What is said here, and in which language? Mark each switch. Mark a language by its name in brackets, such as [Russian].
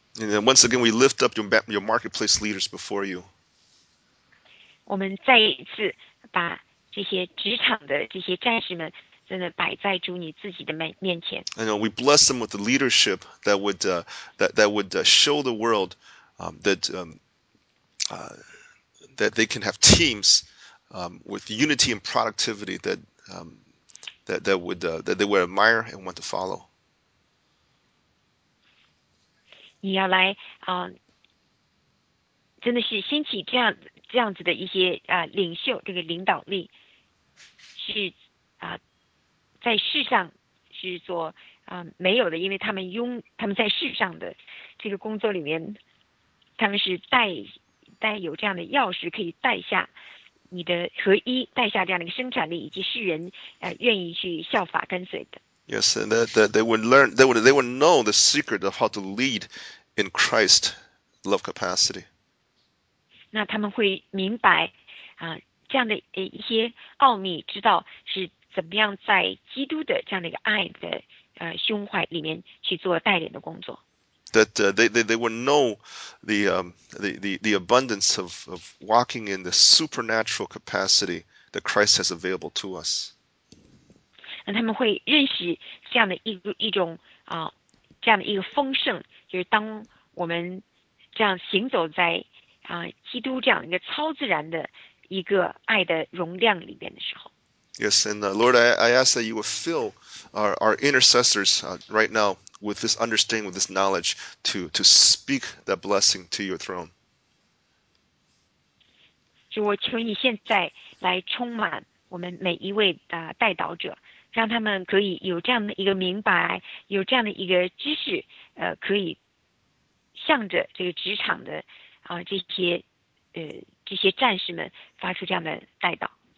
[English] And then once again, we lift up your marketplace leaders before you. [Chinese] 我们再一次把这些职场的这些战士们真的摆在主你自己的面前。 [English] And we bless them with the leadership that would, show the world, that they can have teams with unity and productivity that they would admire and want to follow. [Chinese] 你要来真的是兴起这样子的一些领袖，这个领导力是在世上是做没有的，因为他们在世上的这个工作里面，他们是带有这样的钥匙，可以带下你的合一，带下这样的一个生产力，以及世人愿意去效法跟随的。 [English] Yes, and that they would learn, they would know the secret of how to lead in Christ love capacity. [Chinese] 那他们会明白这样的一些奥秘，知道是怎么样在基督的这样的一个爱的胸怀里面去做带领的工作。 [English] That they would know the abundance of walking in the supernatural capacity that Christ has available to us. [Chinese] 那他们会认识这样的一种这样的一个丰盛，就是当我们这样行走在基督这样一个超自然的一个爱的容量里边的时候。 [English] Yes, and Lord, I ask that you would fill our intercessors right now with this understanding, with this knowledge to speak that blessing to your throne. [Chinese] 主，我求你现在来充满我们每一位代祷者，让他们可以有这样的一个明白，有这样的一个知识，可以向着这个职场的这些战士们发出这样的代祷。